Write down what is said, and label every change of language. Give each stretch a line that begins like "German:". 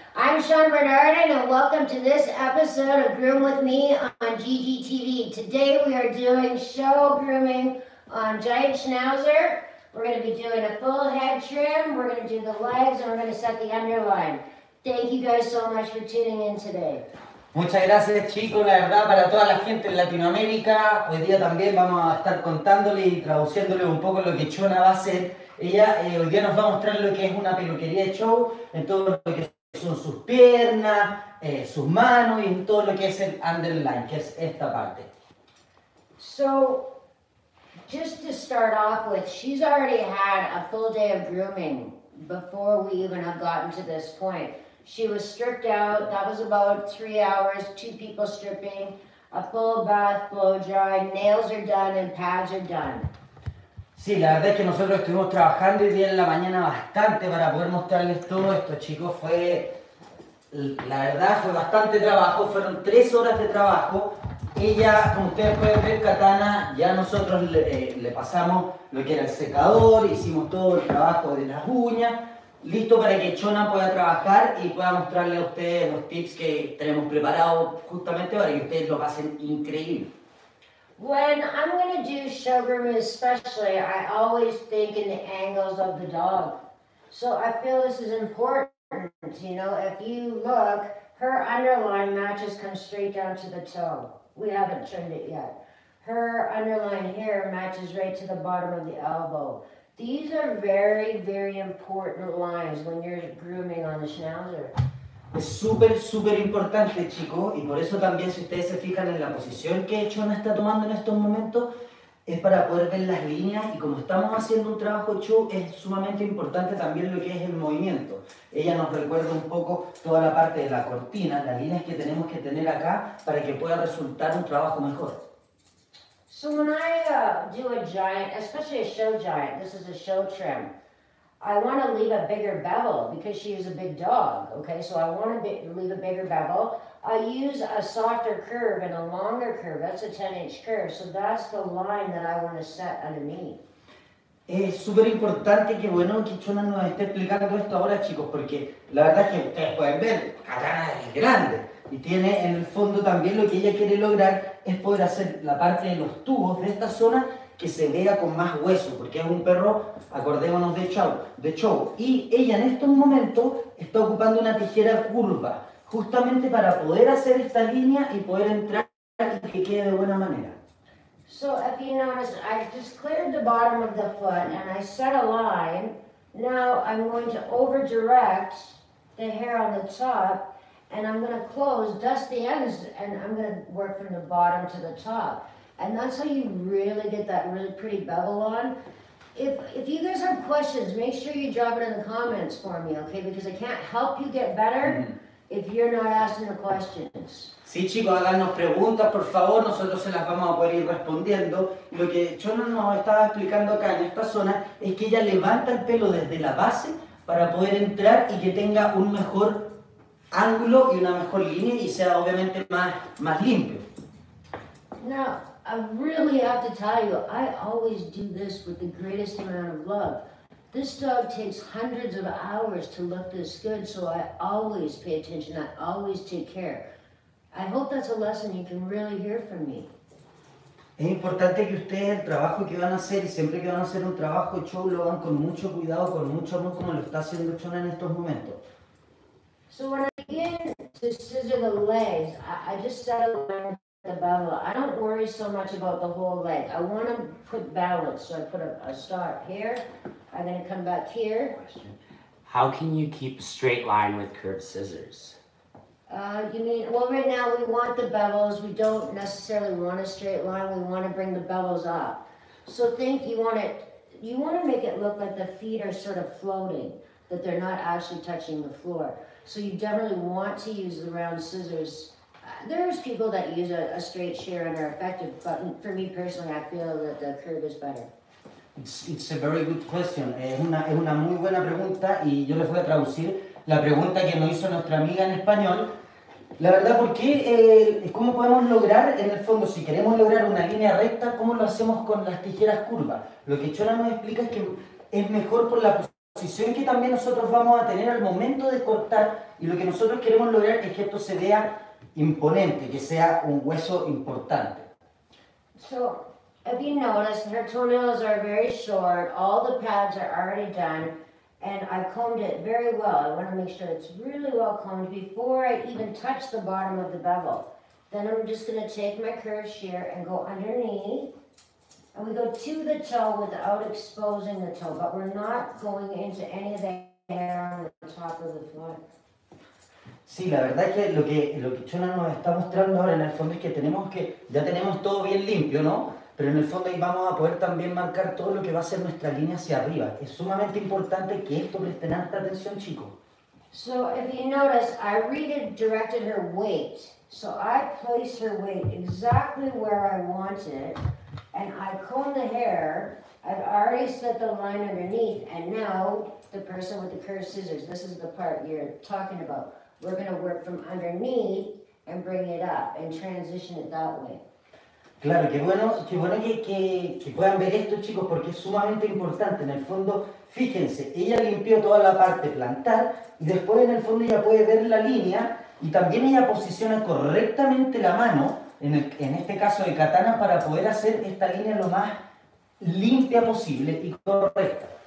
English: I'm Shaunna Bernardin, and welcome to this episode of Groom With Me on GGTV. Today we are doing show grooming on Giant Schnauzer. We're going to be doing a full head trim, we're going to do the legs, and we're going to set the underline. Thank you guys so much for tuning in today.
Spanish: Muchas gracias, chicos, la verdad, para toda la gente en Latinoamérica. Hoy día también vamos a estar contándole y traduciéndole un poco lo que Shaunna va a hacer. Ella hoy día nos va a mostrar lo que es una peluquería de show, en todo lo que son sus piernas, sus manos y en todo lo que es el
English: underline,
Spanish: que es esta parte.
English: So, just to start off with, she's already had a full day of grooming before we even have gotten to this point. She was stripped out, that was about 3 hours, 2 people stripping, a full bath, blow dry, nails are done and pads are done.
Spanish: Sí, la verdad es que nosotros estuvimos trabajando hoy día en la mañana bastante para poder mostrarles todo esto, chicos. Fue, la verdad, fue bastante trabajo, fueron 3 horas de trabajo. Ella, como ustedes pueden ver, Katana, ya nosotros le pasamos lo que era el secador, hicimos todo el trabajo de las uñas. Listo para que Shaunna pueda trabajar y pueda mostrarle a ustedes los tips que tenemos preparado justamente para que ustedes lo pasen increíble.
English: When I'm going to do show grooming especially, I always think in the angles of the dog. So I feel this is important, you know, if you look, her underline matches come straight down to the toe. We haven't trimmed it yet. Her underline here matches right to the bottom of the elbow. These are very, very important lines when you're grooming on the Schnauzer.
Spanish: Es súper, súper importante, chicos, y por eso también, si ustedes se fijan en la posición que Shaunna está tomando en estos momentos, es para poder ver las líneas, y como estamos haciendo un trabajo show, es sumamente importante también lo que es el movimiento. Ella nos recuerda un poco toda la parte de la cortina, las líneas que tenemos que tener acá para que pueda resultar un trabajo mejor.
English: So when I do a giant, especially a show giant, this is a show trim, I want to leave a bigger bevel because she is a big dog, okay? So I want to leave a bigger bevel. I use a softer curve and a longer curve. That's a 10-inch curve. So that's the line that I want to set underneath.
Spanish: Es súper importante que, bueno, que Shaunna nos esté explicando esto ahora, chicos, porque la verdad es que ustedes pueden ver, Katana es grande. Y tiene en el fondo también lo que ella quiere lograr es poder hacer la parte de los tubos de esta zona que se vea con más hueso, porque es un perro, acordémonos, de show. Y ella en estos momentos está ocupando una tijera curva, justamente para poder hacer esta línea y poder entrar y que quede de buena manera.
English: So, if you notice, I've just cleared the bottom of the foot and I set a line. Now I'm going to over-direct the hair on the top. And I'm going to close, dust the ends, and I'm going to work from the bottom to the top. And that's how you really get that really pretty bevel on. If you guys have questions, make sure you drop it in the comments for me, okay? Because I can't help you get better if you're not asking the questions.
Spanish: Sí, chicos, háganos preguntas, por favor. Nosotros se las vamos a poder ir respondiendo. Lo que Shaunna nos estaba explicando acá en esta zona es que ella levanta el pelo desde la base para poder entrar y que tenga un mejor ángulo y una mejor línea y sea obviamente más limpio.
English: Now, I really have to tell you, I always do this with the greatest amount of love. This dog takes hundreds of hours to look this good, so I always pay attention, I always take care. I hope that's a lesson you can really hear from me.
Spanish: Es importante que ustedes, el trabajo que van a hacer y siempre que van a hacer un trabajo show, lo hagan con mucho cuidado, con mucho amor, como lo está haciendo Shaunna en estos momentos.
English: So when I begin to scissor the legs, I just set a line with the bevel. I don't worry so much about the whole leg. I want to put balance, so I put a start here. I'm going to come back here. Question. How can you keep a straight line with curved scissors? Well, right now we want the bevels. We don't necessarily want a straight line. We want to bring the bevels up. So think you want it you want to make it look like the feet are sort of floating, that they're not actually touching the floor. So you definitely want to use the round scissors. There's people that use a straight shear and are effective, but for me personally, I feel that the curve is better. It's a very good question.
Spanish: Es una muy buena pregunta, y yo les voy a traducir la pregunta que nos hizo nuestra amiga en español. La verdad, ¿por qué? ¿Cómo podemos lograr, en el fondo, si queremos lograr una línea recta, cómo lo hacemos con las tijeras curvas? Lo que Shaunna nos explica es que es mejor por la posición que también nosotros vamos a tener al momento de cortar, y lo que nosotros queremos lograr es que esto se vea imponente, que sea un hueso importante.
English: So, if you notice, her toenails are very short, all the pads are already done, and I combed it very well. I want to make sure it's really well combed before I even touch the bottom of the bevel. Then I'm just going to take my curved shear and go underneath. And we go to the toe without exposing the toe, but we're not going into any of the hair on the top of the foot.
Spanish: Sí, la verdad es que lo que Shaunna nos está mostrando ahora en el fondo es que ya tenemos todo bien limpio, ¿no? Pero en el fondo ahí vamos a poder también marcar todo lo que va a ser nuestra línea hacia arriba. Es sumamente importante que esto presten alta atención, chicos.
English: So, if you notice, I redirected her weight. So, I place her weight exactly where I want it. And I comb the hair. I've already set the line underneath. And now, the person with the curved scissors, this is the part you're talking about. We're going to work from underneath and bring it up and transition it that way.
Spanish: Claro, qué bueno que puedan ver esto, chicos, porque es sumamente importante. En el fondo, fíjense, ella limpió toda la parte plantar y después en el fondo ella puede ver la línea y también ella posiciona correctamente la mano, en este caso de katana, para poder hacer esta línea lo más limpia posible y correcta.